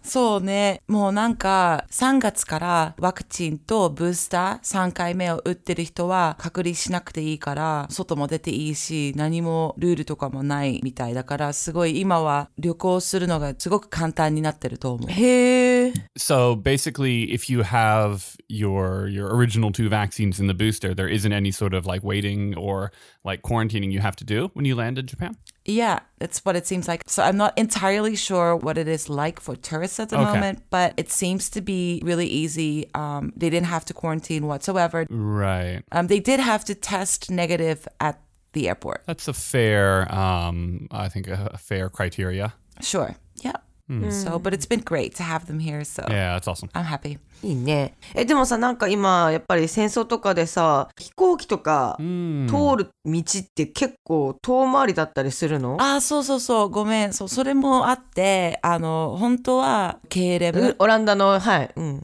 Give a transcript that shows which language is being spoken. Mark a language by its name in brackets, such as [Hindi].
[Japanese] そうねもうなんか3月からワクチンとブースター3回目を打ってる人は隔離しなくていいから外も出ていいし何もルールとかもないみたいだからすごい今は旅行するのがすごく簡単になってると思うへえ [English] So basically if you have your original two vaccines in the booster there isn't any sort of like waiting or like quarantining you have to do when you land in Japan Yeah, that's what it seems like. So I'm not entirely sure what it is like for tourists at the okay. moment, but it seems to be really easy. They didn't have to quarantine whatsoever. Right. They did have to test negative at the airport. That's a fair, I think, a fair criteria. Sure. Yeah. Mm. So, but it's been great to have them here. So yeah, that's awesome. I'm happy. [Japanese] いいね。でもさ、なんか今、やっぱり戦争とかでさ、飛行機とか通る道って結構遠回りだったりするの？あ、そうそうそう。ごめん。そう、それもあって、本当は、KLM。オランダの、はい。うん。